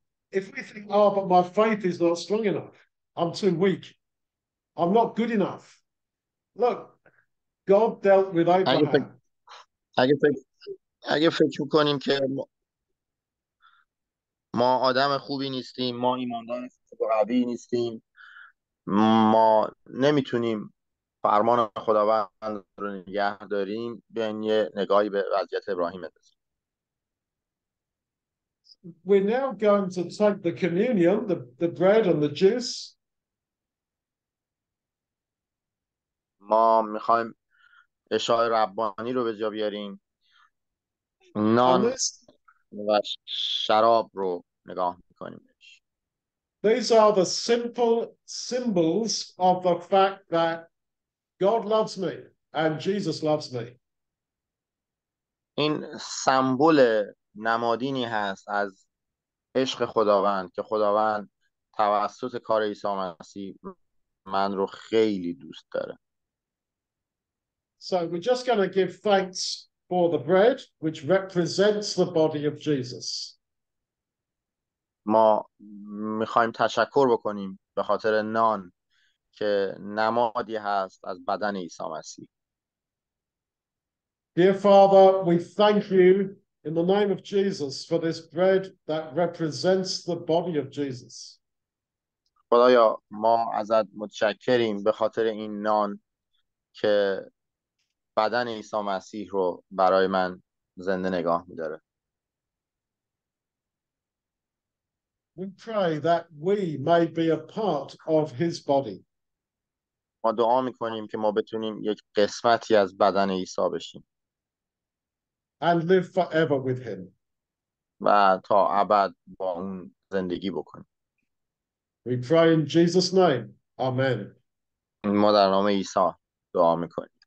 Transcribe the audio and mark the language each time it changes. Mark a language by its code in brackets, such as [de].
[en] If we think, oh, but my faith is not strong enough. I'm too weak. I'm not good enough. Look, God dealt with Abraham. [fa] اگه فکر کنیم که ما آدم خوبی نیستیم، ما ایماندار قوی نیستیم، ما نمیتونیم فرمان خداوند رو نگه داریم، بیاین یه نگاهی به وضعیت ابراهیم بندازیم. [en] We're now going to take the communion, the bread and the juice. [fa] ما میخوایم عشای ربانی رو به جا بیاریم، نان و شراب رو نگاه میکنیم. [en] These are the simple symbols of the fact that God loves me. And Jesus loves me. [fa] این سمبل نمادینی هست از عشق خداوند که خداوند توسط کار عیسی مسیح من رو خیلی دوست داره. [en] So we're just going to give thanks for the bread, which represents the body of Jesus. [fa] ما میخوایم تشکر بکنیم به خاطر نان که نمادی هست از بدن عیسی مسیح. [en] Dear Father, we thank you in the name of Jesus for this bread that represents the body of Jesus. [fa] خدایا ما ازت متشکریم به خاطر این نان که بدن عیسی مسیح رو برای من زنده نگاه می‌داره. [en] We pray that we may be a part of his body. [fa] ما دعا می‌کنیم که ما بتونیم یک قسمتی از بدن عیسی بشیم. [en] And live forever with him. [fa] و تا ابد با اون زندگی بکنیم. [en] We pray in Jesus' name. Amen. [fa] ما در نام عیسی دعا می‌کنیم.